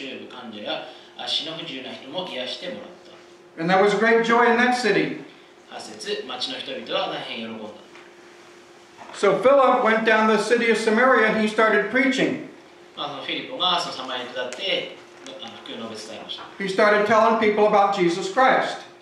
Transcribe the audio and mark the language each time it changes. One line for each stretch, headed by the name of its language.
Japanese: 7節、実際、聞かれた霊に取り憑かれた多くの人たちからは、その霊が大声で叫びながら出て行き、多くの中風患者や足の不自由な人も癒してもらった。
English: And that was a great joy in that city.
Japanese: 8節、町の人々は大変喜んだ。
English: So Philip went down the city of Samaria and he started preaching.
Japanese: フィリポがそのサマリアに下って、福音を述べ伝えました。
English: He started telling people about Jesus Christ.